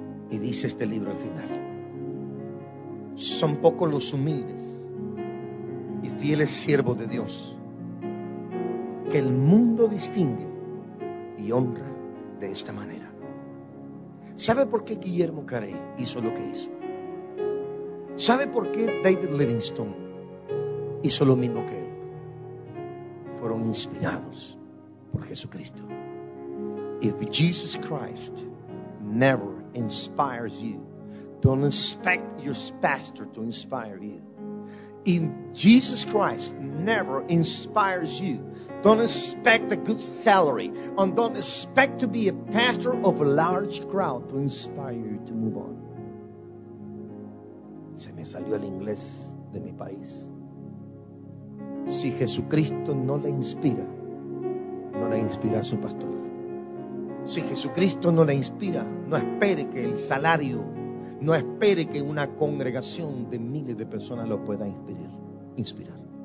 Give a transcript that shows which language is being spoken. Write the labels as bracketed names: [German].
[Spanish] Y dice este libro al final: son pocos los humildes y fieles siervos de Dios que el mundo distingue y honra de esta manera. ¿Sabe por qué Guillermo Carey hizo lo que hizo? ¿Sabe por qué David Livingstone hizo lo mismo que él? Fueron inspirados por Jesucristo. [English] If Jesus Christ never inspires you, don't expect your pastor to inspire you. If Jesus Christ never inspires you, don't expect a good salary, and don't expect to be a pastor of a large crowd to inspire you to move on. [Spanish] Se me salió el inglés de mi país. Si Jesucristo no le inspira, no le inspira a su pastor. Si Jesucristo no le inspira, no espere que el salario, no espere que una congregación de miles de personas lo pueda inspirar.